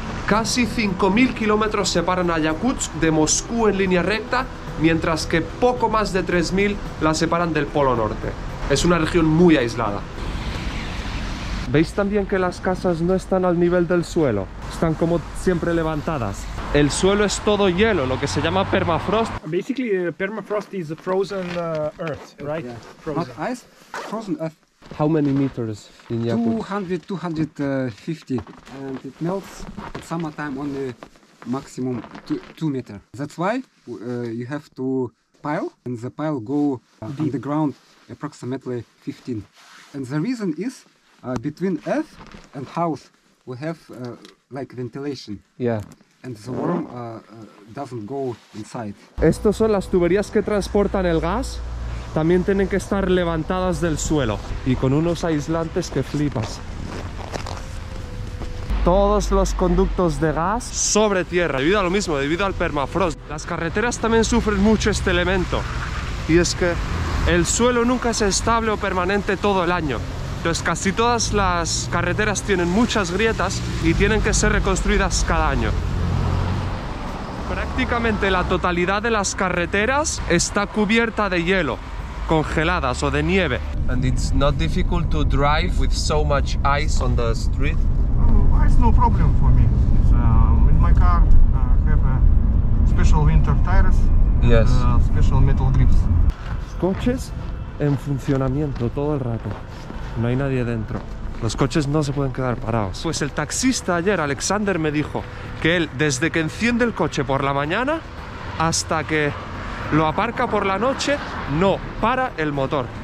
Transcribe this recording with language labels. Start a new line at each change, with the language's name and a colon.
Spanish: Casi 5.000 kilómetros separan a Yakutsk de Moscú en línea recta, mientras que poco más de 3.000 la separan del Polo Norte. Es una región muy aislada. ¿Veis también que las casas no están al nivel del suelo? Están como siempre levantadas. El suelo es todo hielo, lo que se llama permafrost.
English: Basically, permafrost is frozen earth, right? Yeah. Frozen. Not ice? Frozen earth. How many meters in Yakutsk? 200-250. And it melts at summertime only maximum 2 meters. That's why you have to pile, and the pile go underground approximately 15. And the reason is between earth and house we have like ventilation. Yeah. And the worm doesn't go inside.
Spanish: Estos son las tuberías que transportan el gas. También tienen que estar levantadas del suelo y con unos aislantes que flipas. Todos los conductos de gas sobre tierra, debido a lo mismo, debido al permafrost. Las carreteras también sufren mucho este elemento. Y es que el suelo nunca es estable o permanente todo el año. Entonces casi todas las carreteras tienen muchas grietas y tienen que ser reconstruidas cada año. Prácticamente la totalidad de las carreteras está cubierta de hielo, congeladas o de nieve.
English: And it's not difficult to drive with so much ice on the street. Ice no problem for me. It's, with my car, have a special winter tires. Yes. And, special metal grips.
Spanish: Coches en funcionamiento todo el rato. No hay nadie dentro. Los coches no se pueden quedar parados. Pues el taxista ayer, Alexander, me dijo que él, desde que enciende el coche por la mañana hasta que lo aparca por la noche, no para el motor.